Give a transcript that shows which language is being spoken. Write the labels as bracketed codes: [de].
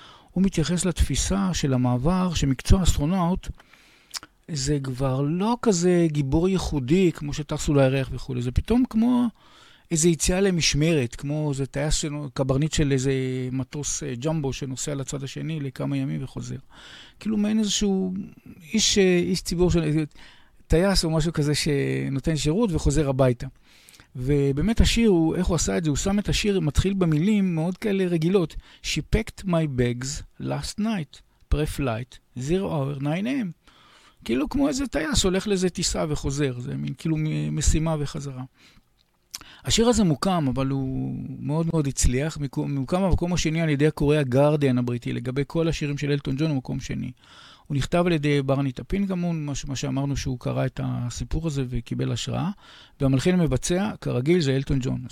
[he] הוא מתייחס לתפיסה של המעבר שמקצוע אסטרונאוט זה כבר לא כזה גיבור ייחודי כמו שטסו לירח וכו', זה פתאום כמו איזה יציאה למשמרת, כמו איזה טייס קברניט של איזה מטוס ג'מבו שנוסע לצד השני לכמה ימים וחוזר. כאילו מעין איזשהו איש ציבור של טייס או משהו כזה שנותן שירות וחוזר הביתה. ובאמת השיר, איך הוא עשה את זה? הוא שם את השיר, מתחיל במילים מאוד כאלה רגילות. [en] She packed my bags last night, pre-flight, 0 hour, 9 a.m. [he] כאילו כמו איזה טייס, הולך לזה טיסה וחוזר. זה מין כאילו משימה וחזרה. השיר הזה מוקם, אבל הוא מאוד מאוד הצליח. מוקם במקום השני על ידי הקוראי הגארדיאן הבריטי, לגבי כל השירים של אלטון ג'ון, מקום שני. הוא נכתב על ידי ברני טאפין כמון, מה שאמרנו שהוא קרא את הסיפור הזה וקיבל השראה, והמלחין המבצע, כרגיל, זה אלטון ג'ון.